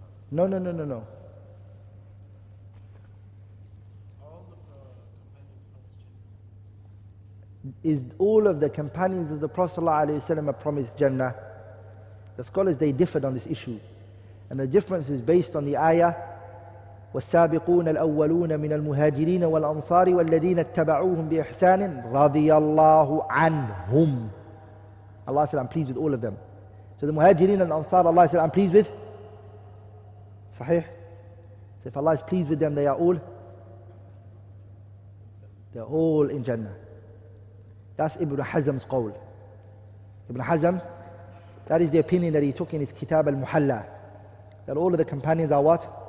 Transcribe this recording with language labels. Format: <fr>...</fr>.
<en>No. Is all of the companions of the Prophet ﷺ a promised Jannah? The scholars, they differed on this issue. And the difference is based on the ayah,</en> <ar>وَالسَّابِقُونَ الْأَوَّلُونَ مِنَ الْمُهَاجِرِينَ وَالْأَنصَارِ وَالَّذِينَ اتَّبَعُوهُمْ بِإِحْسَانٍ رَضِيَ اللَّهُ عَنْهُمْ.</ar> <en>Allah said, I'm pleased with all of them. So the muhajirin and the ansar, Allah said, I'm pleased with? Sahih? So if Allah is pleased with them, they're all in Jannah. That's Ibn Hazm's qawl. Ibn Hazm, that is the opinion that he took in his Kitab al-Muhalla, that all of the companions are what?</en>